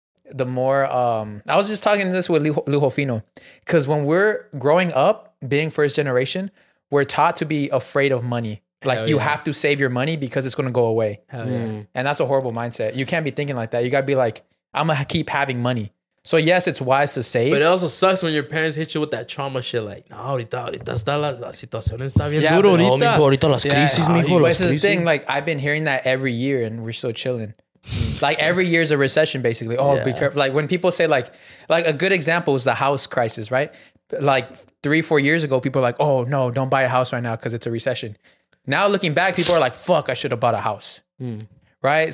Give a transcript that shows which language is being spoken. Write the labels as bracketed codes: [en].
[en] The more, I was just talking this with Lujo Fino, because when we're growing up, being first generation, we're taught to be afraid of money. Like you have to save your money because it's going to go away. And that's a horrible mindset. You can't be thinking like that. You got to be like, I'm going to keep having money. So yes, it's wise to save. But it also sucks when your parents hit you with that trauma shit. [es] Like, no, ahorita está la situación está bien duro ahorita. Oh, mijo, ahorita las crisis, yeah. Mijo. [en] But it's the thing, like I've been hearing that every year and we're still chilling. Like every year is a recession, basically. Oh, yeah. Be careful. Like when people say like a good example is the house crisis, right? Like 3-4 years ago, people are like, oh no, don't buy a house right now because it's a recession. Now looking back, people are like, fuck, I should have bought a house. Right?